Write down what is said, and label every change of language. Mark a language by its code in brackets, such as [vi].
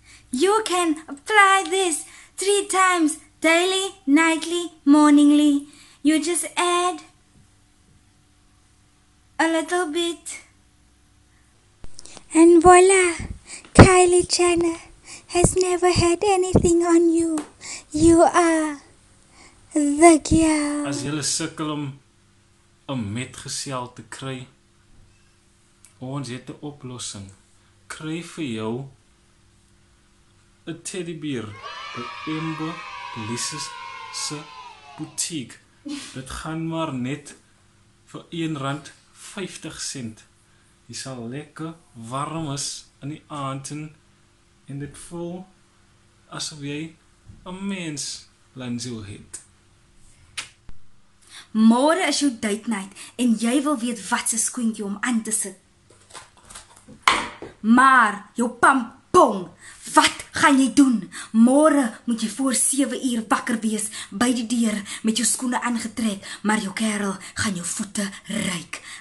[en] You can apply this 3 times daily, nightly, morningly. You just add a little bit. And voila! Kylie Jenner has never had anything on you. You are the girl. [af] As jylle sukkel om 'n metgesel te kry, ons het 'n oplossing. Kry vir jou 'n teddybeer by Embo Lises se boutique. Dit gaan maar net vir R1.50. Jy sal lekker warm is in die aand en dit voel asof jy 'n mens lenzo het. Môre is jou date night en jy wil weet wat se skoentjie jy om aan te sit. Maar jou pampong, wat gaan jy doen? Môre moet jy voor 7:00 wakker wees by die deur met jou skoene aangetrek, maar jou kerel gaan jou voete ruik.